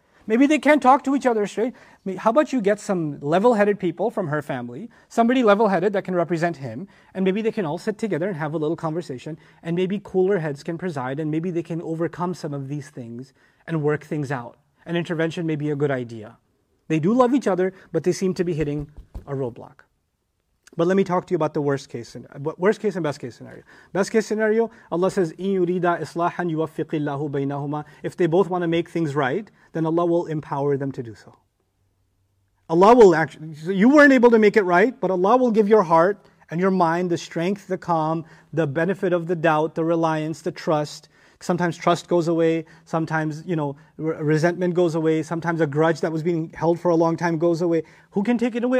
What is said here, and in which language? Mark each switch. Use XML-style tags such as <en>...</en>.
<en>Maybe they can't talk to each other straight. How about you get some level-headed people from her family, somebody level-headed that can represent him, and maybe they can all sit together and have a little conversation, and maybe cooler heads can preside, and maybe they can overcome some of these things and work things out. An intervention may be a good idea. They do love each other, but they seem to be hitting a roadblock. But let me talk to you about the worst case and best case scenario. Best case scenario, Allah says,</en> <ar>إِن يُرِيدَ إِصْلَاحًا يُوَفِّقِ اللَّهُ بَيْنَهُمَا.</ar> <en>If they both want to make things right, then Allah will empower them to do so. Allah will actually, so you weren't able to make it right, but Allah will give your heart and your mind the strength, the calm, the benefit of the doubt, the reliance, the trust. Sometimes trust goes away, sometimes resentment goes away, sometimes a grudge that was being held for a long time goes away. Who can take it away?</en>